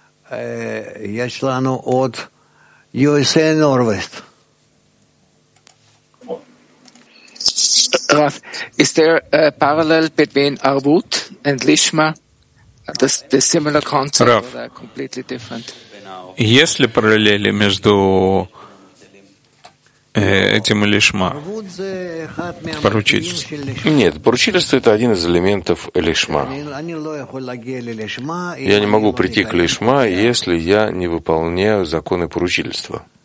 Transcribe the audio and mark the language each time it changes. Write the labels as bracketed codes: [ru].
[ru] Я члену от USA Northwest. [en] Rav, is there a parallel between Arvut and Lishma? The similar concept or completely different? [ru] Есть ли параллели между этим и Лишма? Поручительство. Нет, поручительство — это один из элементов Лишма. Я не могу прийти к Лишма, если я не выполняю законы поручительства.